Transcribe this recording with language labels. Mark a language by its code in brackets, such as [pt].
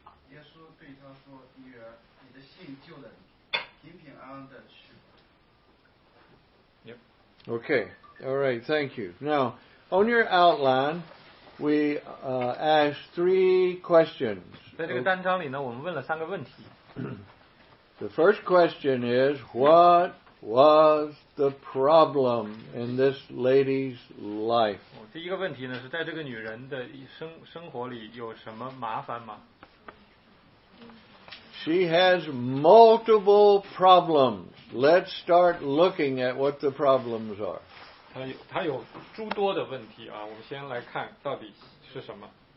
[zh] 耶稣对他说：“女儿，你的信救了你，平平安安的去。” [en] Yep. Okay. All right. Thank you. Now, on your outline. We asked three questions. [zh] 在这个单章里呢，我们问了三个问题。 [en] The first question is, what was the problem in this lady's life? [zh] 第一个问题呢，是在这个女人的生活里有什么麻烦吗？ [en] She has multiple problems. Let's start looking at what the problems are. [zh] 他有诸多的问题啊，我们先来看到底是什么。